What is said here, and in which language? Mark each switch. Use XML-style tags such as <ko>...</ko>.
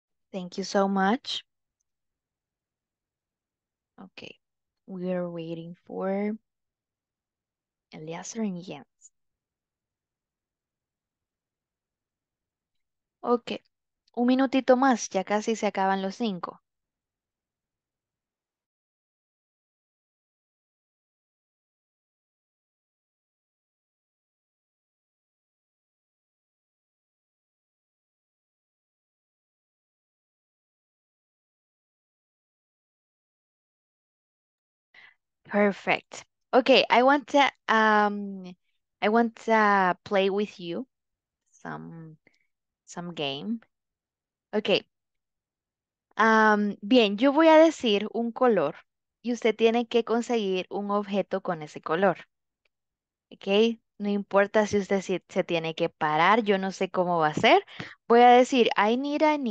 <en>Thank you so much. Okay, we are waiting for Eliezer and Jens.</en> <es>Okay, un minutito más, ya casi se acaban los cinco.</es> <en>Perfect. Okay, I want to play with you some game. Okay.</en> <es>Bien, yo voy a decir un color y usted tiene que conseguir un objeto con ese color. Okay, no importa si usted se tiene que parar, yo no sé cómo va a ser. Voy a decir,</es> <en>I need</en>